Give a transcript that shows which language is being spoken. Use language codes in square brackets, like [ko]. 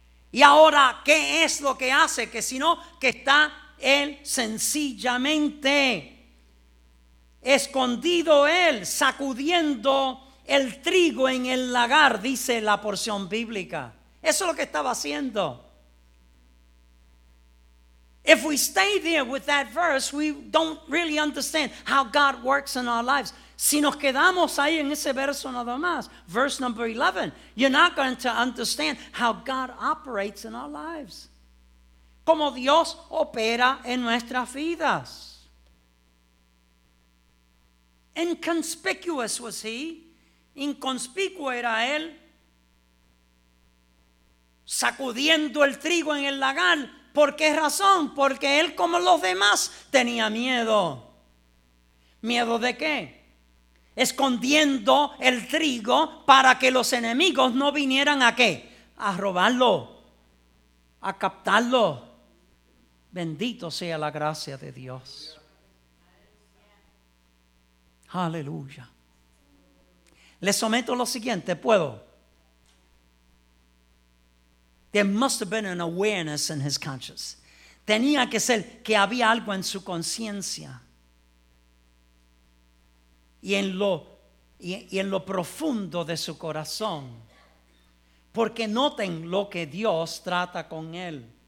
[es] Y ahora, ¿qué es lo que hace? Que si no, que está él sencillamente escondido, él sacudiendo el trigo en el lagar, dice la porción bíblica. Eso es lo que estaba haciendo. [en] If we stay there with that verse, we don't really understand how God works in our lives. [es] Si nos quedamos ahí en ese verso nada más, [en] verse number 11, you're not going to understand how God operates in our lives. [es] Como Dios opera en nuestras vidas. [en] Inconspicuous was he. [es] Inconspicuo era él. Sacudiendo el trigo en el lagar. ¿Por qué razón? Porque él, como los demás, tenía miedo. ¿Miedo de qué? Escondiendo el trigo para que los enemigos no vinieran ¿a qué? A robarlo, a captarlo. Bendito sea la gracia de Dios. Aleluya. Le someto lo siguiente, ¿puedo? [en] There must have been an awareness in his conscience. [es] Tenía que ser que había algo en su conciencia. Y en lo y en lo profundo de su corazón. Porque noten lo que Dios trata con él.